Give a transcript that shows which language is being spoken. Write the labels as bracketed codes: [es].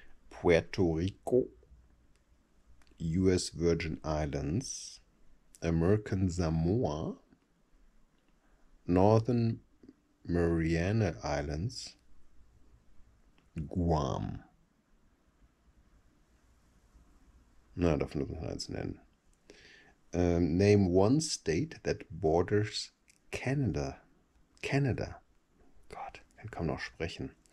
[en] Puerto Rico, US Virgin Islands, American Samoa, Northern Mariana Islands, Guam. [de] Na, davon muss man eins nennen. [en] Name one state that borders Canada. Canada. [de] Gott, kann kaum noch sprechen.